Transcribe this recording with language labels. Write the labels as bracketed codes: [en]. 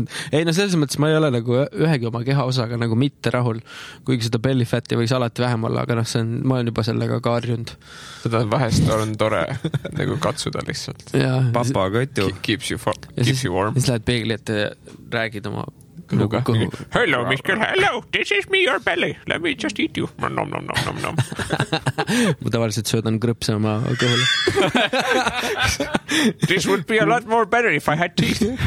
[et] Ei, no selles mõttes ma ei ole nagu ühegi oma keha osaga nagu mitte rahul, kuigi seda belly fatti võiks alati vähem olla, aga noh, see on, ma olen juba sellega kaarjund. Seda vahest on tore nagu katsuda lihtsalt. Ja, Papa kõtju. [en] Keeps you warm. [et] Siis lähed peegli, et räägid oma kõhuga. [en] Hello, Mikkel, hello, this is me, your belly. Let me just eat you. Nom, nom, nom, nom, nom. [et] Ma tavaliselt söödan krõpse oma kõhule. [en] This would be a lot more better if I had teeth.